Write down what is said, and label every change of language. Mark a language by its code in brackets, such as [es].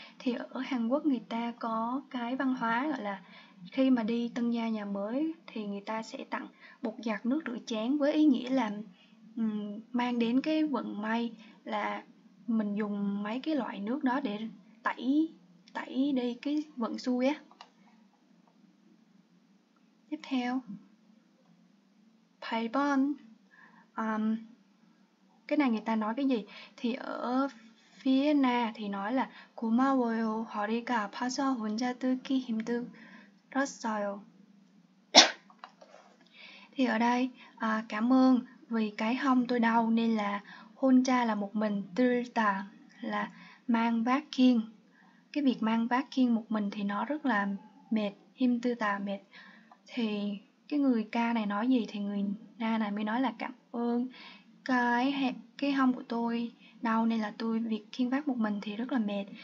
[vi] Thì ở Hàn Quốc người ta có cái văn hóa gọi là khi mà đi tân gia nhà mới thì người ta sẽ tặng bột giặt, nước rửa chén với ý nghĩa là mang đến cái vận may, là mình dùng mấy cái loại nước đó để tẩy tẩy đi cái vận xui á. Tiếp theo, 8번. Cái này người ta nói cái gì? Thì ở phía Na thì nói là [ko] 고마워요. 허리가 아파서 혼자 뜨기 힘들었어요. [vi] Thì ở đây cảm ơn vì cái hông tôi đau nên là hôn cha là một mình, tilta là mang vác khiêng. Cái việc mang vác khiêng một mình thì nó rất là mệt, him tư tà mệt. Thì cái người ca này nói gì thì người na này mới nói là cảm ơn cái hông của tôi đau nên là tôi việc khiêng vác một mình thì rất là mệt.